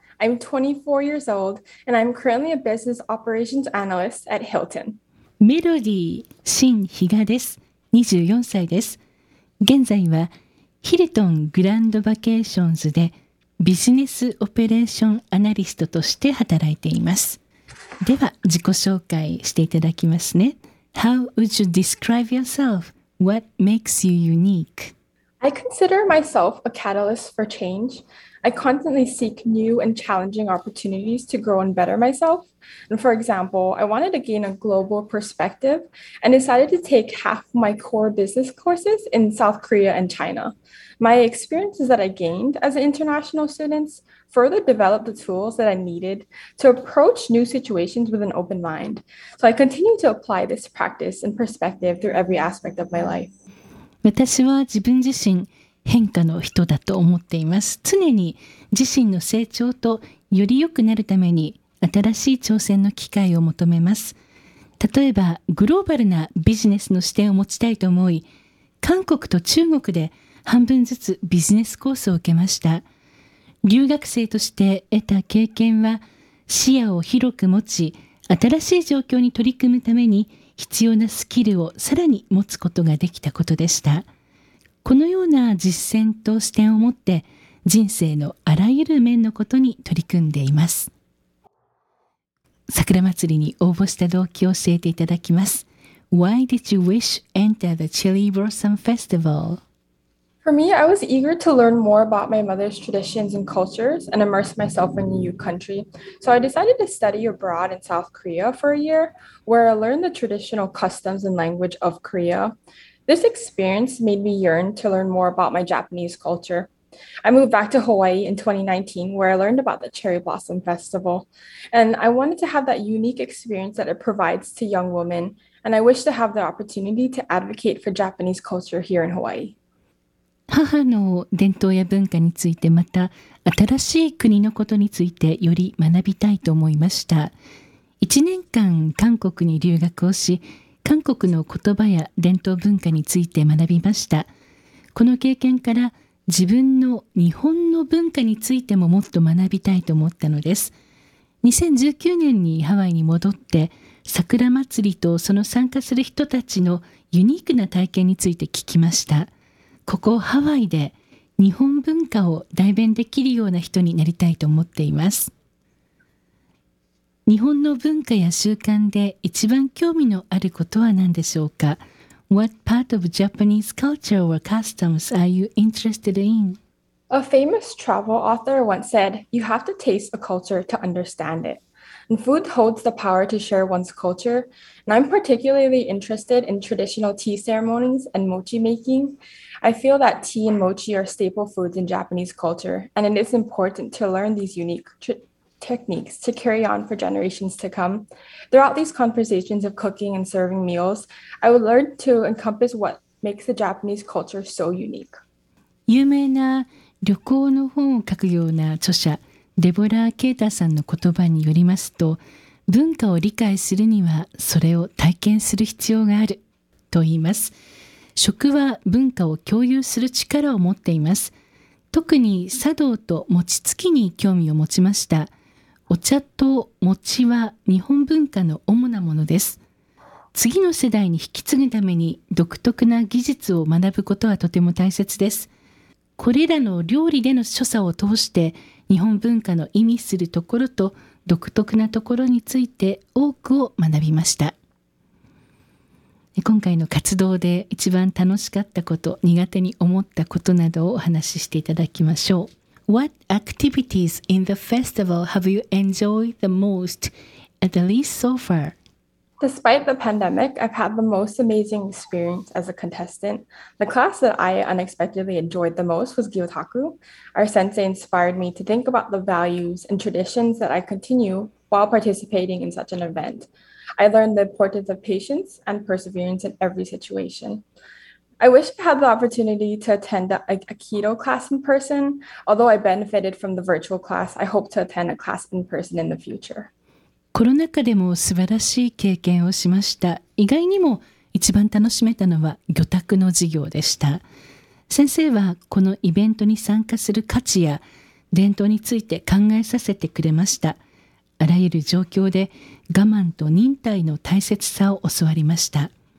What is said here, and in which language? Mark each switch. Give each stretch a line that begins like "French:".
English: I'm 24 years old, and I'm currently a business operations analyst at Hilton.
Japanese: Melody Shinhiga です。 24歳です。現在は、ヒルトングランドバケーションズでビジネスオペレーションアナリストとして働いています。では、自己紹介していただきますね。
English: How would you describe yourself? What makes you unique? I consider myself a catalyst for change. I constantly seek new and challenging opportunities to grow and better myself. And for example, I wanted to gain a global perspective and decided to take half my core business courses in South Korea and China. My experiences that I gained as an international student further developed the tools that I needed to approach new situations with an open mind. So I continue to apply this practice and perspective through every aspect of my life.
Japanese: 私は自分自身変化の人だと思っています。常に自身の成長とより良くなるために新しい挑戦の機会を求めます。例えばグローバルなビジネスの視点を持ちたいと思い、韓国と中国で半分ずつビジネスコースを受けました。留学生として得た経験は視野を広く持ち、新しい状況に取り組むために必要なスキルをさらに持つことができたことでした。このような実践と視点を持って、人生のあらゆる面のことに取り組んでいます。桜祭りに応募した動機を教えていただきます。
English: Why did you wish enter the Cherry Blossom Festival? For me, I was eager to learn more about my mother's traditions and cultures and immerse myself in a new country. So I decided to study abroad in South Korea for a year, where I learned the traditional customs and language of Korea. This experience made me yearn to learn more about my Japanese culture. I moved back to Hawaii in 2019, where I learned about the Cherry Blossom Festival. And I wanted to have that unique experience that it provides to young women. And I wish to have the opportunity to advocate for Japanese culture here in Hawaii.
Japanese: 母の伝統や文化についてまた新しい国のことについてより学びたいと思いました。 1年間韓国に留学をし、韓国の言葉や伝統文化について学びました。この経験から自分の日本の文化についてももっと学びたいと思ったのです。 2019年にハワイに戻って、桜祭りとその参加する人たちのユニークな体験について聞きました。ここハワイで日本文化を代弁できるような人になりたいと思っています。日本の文化や習慣で一番興味のあることは何でしょうか？
English: What part of Japanese culture or customs are you interested in? A famous travel author once said, You have to taste a culture to understand it. And food holds the power to share one's culture. And I'm particularly interested in traditional tea ceremonies and mochi makingI feel that tea and mochi are staple foods in Japanese culture, and it is important to learn these unique techniques to carry on for generations to come. Throughout these conversations of cooking and serving meals, I would learn to encompass what makes the Japanese culture so unique.
Japanese: 有名な旅行の本を書くような著者、デボラ・ケイターさんの言葉によりますと、文化を理解するにはそれを体験する必要があると言います。食は文化を共有する力を持っています。特に茶道と餅つきに興味を持ちました。お茶と餅は日本文化の主なものです。次の世代に引き継ぐために独特な技術を学ぶことはとても大切です。これらの料理での所作を通して、日本文化の意味するところと独特なところについて多くを学びました。今回の活動で一番楽しかったこと、苦手に思ったことなどをお話ししていただきましょう。
English: What activities in the festival have you enjoyed the most, at least so far? Despite the pandemic, I've had the most amazing experience as a contestant. The class that I unexpectedly enjoyed the most was Gyotaku. Our sensei inspired me to think about the values and traditions that I continue while participating in such an event. I learned the importance of patience and perseverance in every situation. I wish I had the opportunity to attend a keto class in person. Although I benefited from the virtual class, I hope to attend a class in person in the future.
Japanese: コロナ禍でも素晴らしい経験をしました。意外にも一番楽しめたのは魚拓の授業でした。先生はこのイベントに参加する価値や伝統について考えさせてくれました。あらゆる状況で我慢と忍耐の大切さを教わりました。